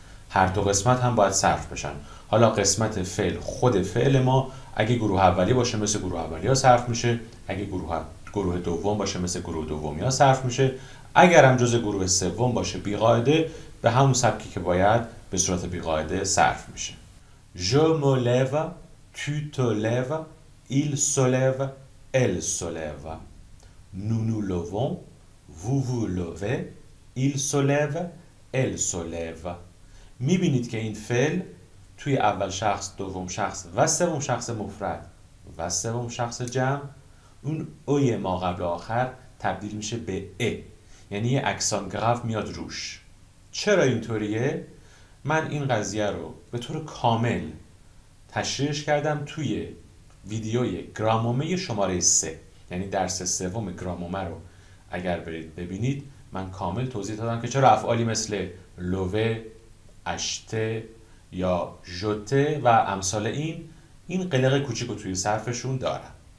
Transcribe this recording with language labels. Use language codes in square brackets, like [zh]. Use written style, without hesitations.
[fa] هر دو قسمت هم باید صرف بشن. حالا قسمت فعل، خود فعل ما اگه گروه اولی باشه مثل گروه اولی ها صرف میشه، اگه گروه دوم باشه مثل گروه دومی ها صرف میشه، اگر هم جز گروه سوم باشه بیقاعده، به همون سبکی که باید به صورت بیقاعده صرف میشه. [fr] Je me lève, tu te lèves, il se lève, elle se lève. Nous nous levons, vous vous levez, il se lève, elle se lève. [fa] میبینید که این فعل توی اول شخص، دوم شخص و سوم شخص مفرد و سوم شخص جمع، اون اوی ما قبل آخر تبدیل میشه به ای، یعنی یه اکسان گراف میاد روش. چرا اینطوریه؟ من این قضیه رو به طور کامل تشریحش کردم توی ویدیوی گرامومه شماره 3، یعنی درس سوم گرامومه رو اگر برید ببینید من کامل توضیح دادم که چرا افعالی مثل لوه، اشته یا جوته و امثال این قلق کوچیکو توی صرفشون دارن.